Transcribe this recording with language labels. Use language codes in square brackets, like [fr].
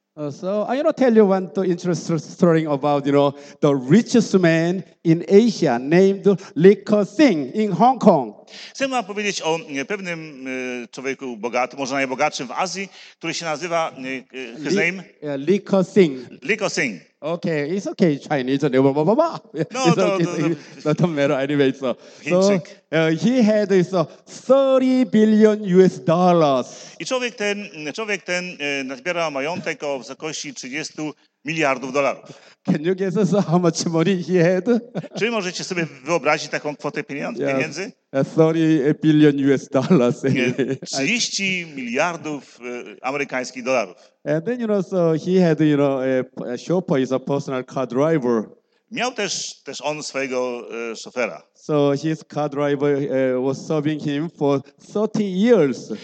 [en] So I want to tell you one to interesting story about, you know, the richest man in Asia named Lee Ko-shing in Hong Kong. [pl] Chcę wam powiedzieć o pewnym człowieku bogatym, może najbogatszym w Azji, który się nazywa [en] his Lee, name? Lee Ko-shing. Lee Ko-shing. Okay, it's okay, Chinese. No, it's okay. No. Not matter anyway. So he had this $30 billion. [pl] I człowiek ten nazbierał majątek o wysokości 30 miliardów dolarów. [en] Can you guess us how much money he had? [pl] Czy możecie sobie wyobrazić taką kwotę pieniędzy? [en] Yes, $30 billion. [pl] 30 miliardów amerykańskich dolarów. [en] And then, you know, so he had, you know, a chauffeur, is a personal car driver. [pl] Miał też on swojego szofera. [en] So his car driver was serving him for 30 years.